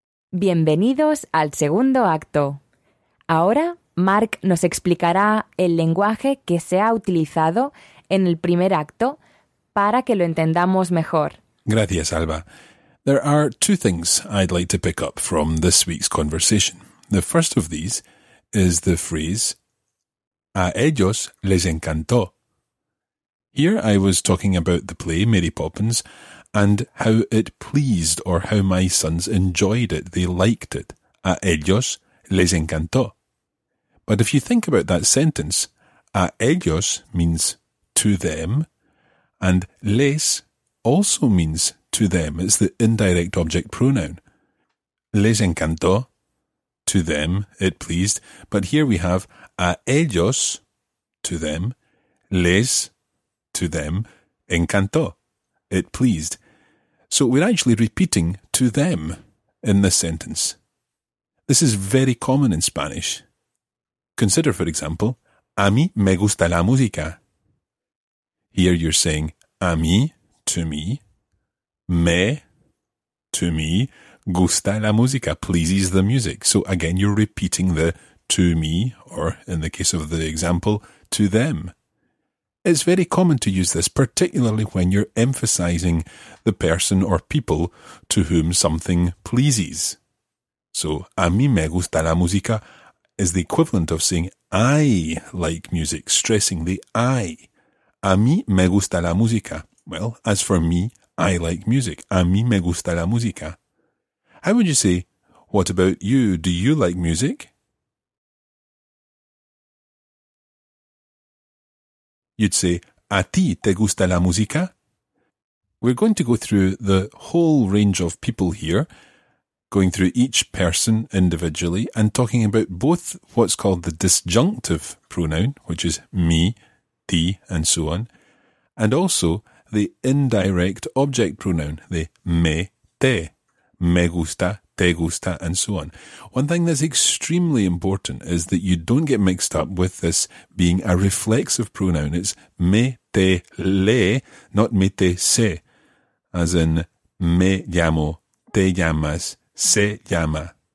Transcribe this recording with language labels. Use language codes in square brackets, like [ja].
[es] Bienvenidos al segundo acto. Ahora, Mark nos explicará el lenguaje que se ha utilizado en el primer acto para que lo entendamos mejor. Gracias, Alba. [en] There are two things I'd like to pick up from this week's conversation. The first of these is the phrase, [es] a ellos les encantó. [en] Here I was talking about the play Mary Poppins and how it pleased or how my sons enjoyed it. They liked it. [es] A ellos les encantó. [en] But if you think about that sentence, [es] a ellos [en] means to them and les also means to them. It's the indirect object pronoun. [es] Les encantó. [en] To them, it pleased. But here we have [es] a ellos, [en] to them, les, to them, encantó, it pleased. So we're actually repeating to them in this sentence. This is very common in Spanish. Consider, for example, [es] a mí me gusta la música. [en] Here you're saying [es] a mí, [en] to me, me, to me, [es] gusta la música, [en] pleases the music. So again, you're repeating the to me, or in the case of the example, to them. It's very common to use this, particularly when you're emphasizing the person or people to whom something pleases. So, [es] a mí me gusta la música [en] is the equivalent of saying I like music, stressing the I. [es] A mí me gusta la música. [en] Well, as for me, I like music. [es] A mí me gusta la música. [en] How would you say, what about you? Do you like music? You'd say, [es] ¿a ti te gusta la música? [en] We're going to go through the whole range of people here, going through each person individually and talking about both what's called the disjunctive pronoun, which is me, ti, and so on, and also the indirect object pronoun, the me, te. [es] Me gusta, te gusta, [en] and so on. One thing that's extremely important is that you don't get mixed up with this being a reflexive pronoun. It's [es] me, te, le, [en] not [es] me, te, se. [en] As in, [es] me llamo, te llamas, se llama.